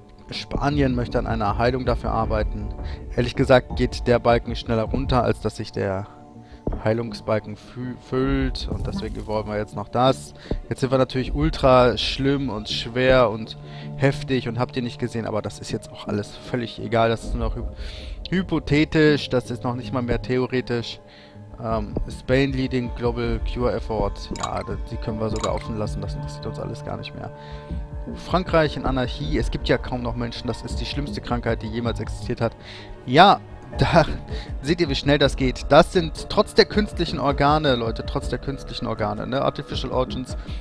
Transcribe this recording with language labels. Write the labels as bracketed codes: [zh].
[de] Spanien möchte an einer Heilung dafür arbeiten. Ehrlich gesagt geht der Balken schneller runter, als dass sich der Heilungsbalken füllt und deswegen wollen wir jetzt noch das. Jetzt sind wir natürlich ultra schlimm und schwer und heftig und habt ihr nicht gesehen, aber das ist jetzt auch alles völlig egal. Das ist nur noch hypothetisch, das ist noch nicht mal mehr theoretisch. [en] Spain leading global cure effort. [de] Ja, die können wir sogar offen lassen, das interessiert uns alles gar nicht mehr. Frankreich in Anarchie, es gibt ja kaum noch Menschen, das ist die schlimmste Krankheit, die jemals existiert hat. Ja, da seht ihr, wie schnell das geht. Das sind trotz der künstlichen Organe, Leute, trotz der künstlichen Organe, ne? Artificial Origins.